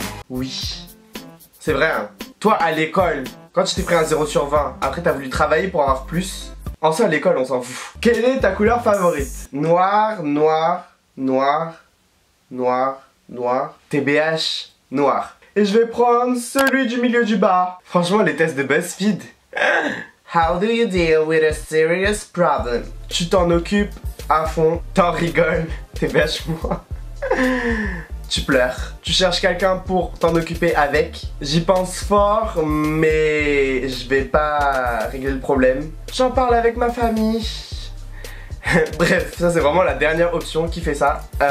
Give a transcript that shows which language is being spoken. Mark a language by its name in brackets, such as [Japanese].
[French] Oui. C'est vrai, hein. Toi, à l'école, quand tu t'es pris un 0 sur 20, après t'as voulu travailler pour avoir plus. En soi, à l'école, on s'en fout. Quelle est ta couleur favorite? Noir, noir, noir. Noir, noir, TBH, noir. Et je vais prendre celui du milieu du bas. Franchement, les tests de BuzzFeed. [English] How do you deal with a serious problem? [French] Tu t'en occupes à fond, t'en rigoles, TBH moi. Tu pleures. Tu cherches quelqu'un pour t'en occuper avec. J'y pense fort, mais je vais pas régler le problème. J'en parle avec ma famille. Bref, ça c'est vraiment la dernière option qui fait ça.